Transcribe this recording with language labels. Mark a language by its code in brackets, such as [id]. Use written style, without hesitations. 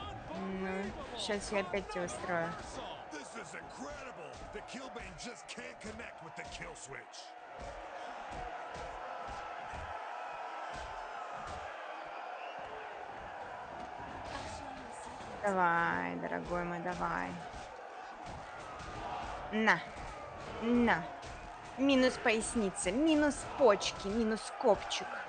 [ru] Ну, сейчас я опять тебя устрою. [en] This is incredible. The Killbane just can't connect with the kill switch. [ru] Давай, дорогой мой, давай. На. На. Минус поясница, минус почки, минус копчик.